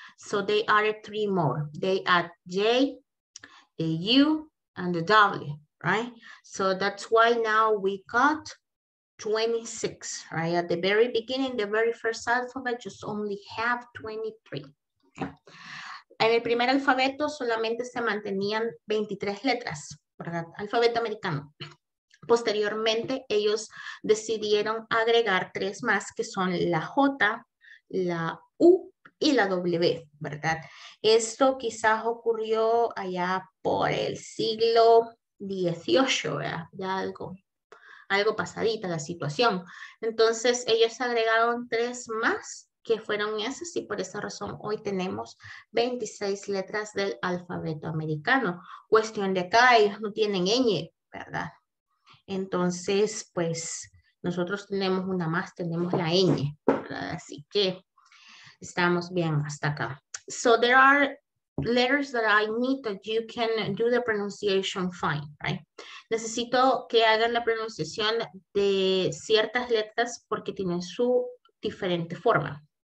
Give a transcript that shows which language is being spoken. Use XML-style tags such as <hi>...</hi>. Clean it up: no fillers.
<en>So they added three more. They add J, the U, and the W, right? So that's why now we got 26, right? At the very beginning, the very first alphabet just only have 23.</en> <es>En el primer alfabeto solamente se mantenían 23 letras, ¿verdad? Alfabeto americano. Posteriormente, ellos decidieron agregar tres más, que son la J, la U y la W, ¿verdad? Esto quizás ocurrió allá por el siglo XVIII, ¿verdad? Ya algo pasadita la situación. Entonces, ellos agregaron tres más que fueron esas, y por esa razón hoy tenemos 26 letras del alfabeto americano. Cuestión de acá, ellos no tienen ñ, ¿verdad? Entonces, pues, nosotros tenemos una más, tenemos la ñ, ¿verdad? Así que estamos bien hasta acá.</es> <en>So there are letters that I need that you can do the pronunciation fine, right?</en> <es>Necesito que hagan la pronunciación de ciertas letras porque tienen su diferente forma.</es>